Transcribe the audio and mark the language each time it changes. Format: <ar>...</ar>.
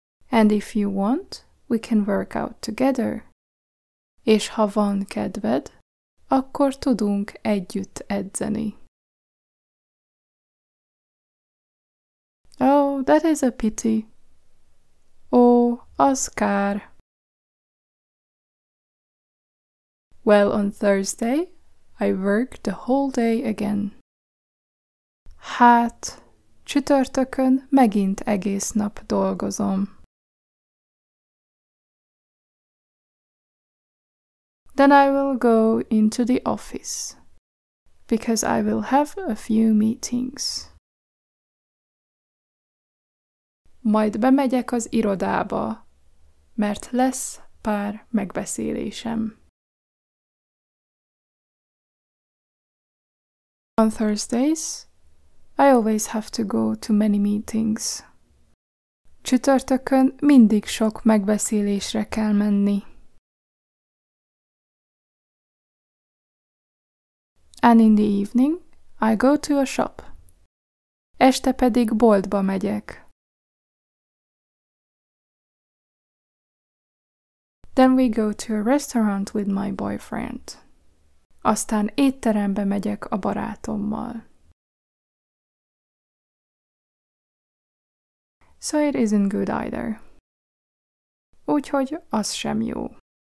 <en>And if you want, we can work out together.</en> <hu>És ha van kedved, akkor tudunk együtt edzeni.</hu> <en>Oh, that is a pity. Oh,</en> <hu>az kár.</hu> <en>Well, on Thursday, I work the whole day again.</en> <hu>Hát, csütörtökön megint egész nap dolgozom.</hu> <en>Then I will go into the office, because I will have a few meetings.</en> <hu>Majd bemegyek az irodába, mert lesz pár megbeszélésem.</hu> <en>On Thursdays, I always have to go to many meetings.</en> <hu>Csütörtökön mindig sok megbeszélésre kell menni.</hu> <en>And in the evening, I go to a shop.</en> <hu>Este pedig boltba megyek.</hu> <en>Then we go to a restaurant with my boyfriend.</en> <hu>Aztán étterembe megyek a barátommal.</hu> <en>So it isn't good either.</en> <hu>úgyhogy az sem jó.</hu>